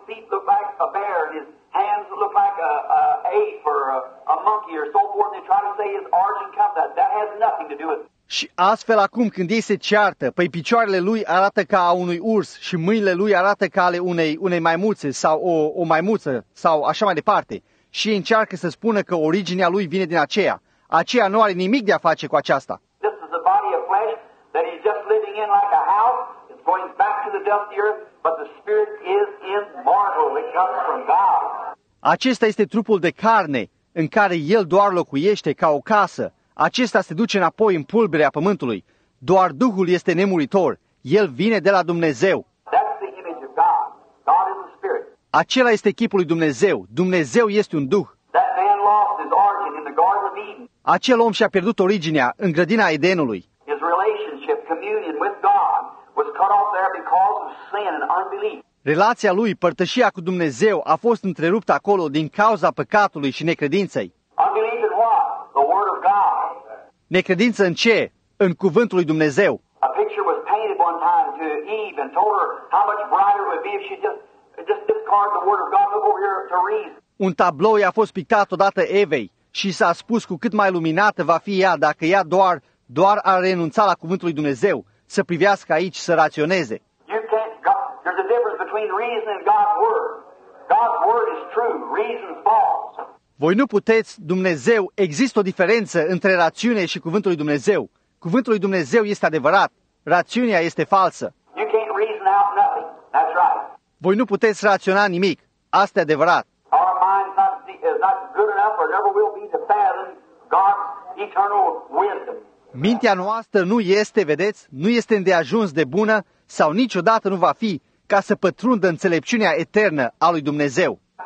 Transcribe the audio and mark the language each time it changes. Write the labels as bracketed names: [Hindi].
[English] Look like a bear, and his hands look like a ape or a monkey or so forth, they try to say his origin comes out. That has nothing to do with it. [Romanian] Și astfel acum când ei se ceartă, păi picioarele lui arată ca a unui urs și mâinile lui arată ca ale unei maimuțe sau o maimuță sau așa mai departe. Și ei încearcă să spună că originea lui vine din aceea. Aceea nu are nimic de a face cu aceasta. [English] This is a body of flesh that he's just living in like a house. It's going back to the dust of the earth, but the spirit is immortal. It comes from God. [Romanian] Acesta este trupul de carne în care el doar locuiește ca o casă. Acesta se duce înapoi în pulberea pământului. Doar Duhul este nemuritor. El vine de la Dumnezeu. [English] That's the image of God. God is a spirit. [Romanian] Acela este chipul lui Dumnezeu. Dumnezeu este un Duh. [English] That man lost his origin in the Garden of Eden. [Romanian] Acel om și-a pierdut originea în grădina Edenului. [English] His relationship, communion with God, was cut off there because of sin and unbelief. [Romanian] Relația lui, părtășia cu Dumnezeu, a fost întreruptă acolo din cauza păcatului și necredinței. [English] Unbelief in what? The word of God. [Romanian] Necredință în ce? În cuvântul lui Dumnezeu. [English] A picture was painted one time to Eve and told her how much brighter it would be if she just discard the word of God, look over here to reason. [Romanian] Un tablou i-a fost pictat odată Evei și s-a spus cu cât mai luminată va fi ea dacă ea doar ar renunța la cuvântul lui Dumnezeu, să privească aici, să raționeze. [English] You can't, God, there's a difference between reason and God's word. God's word is true, reason is false. [Romanian] Voi nu puteți, Dumnezeu, există o diferență între rațiune și cuvântul lui Dumnezeu. Cuvântul lui Dumnezeu este adevărat, rațiunea este falsă. [English] You can't reason out nothing. That's right. [Romanian] Voi nu puteți raționa nimic, asta e adevărat. [English] Our mind is not good enough or never will be to fathom God's eternal wisdom. [Romanian] Mintea noastră nu este, vedeți, nu este îndeajuns de bună sau niciodată nu va fi ca să pătrundă înțelepciunea eternă a lui Dumnezeu.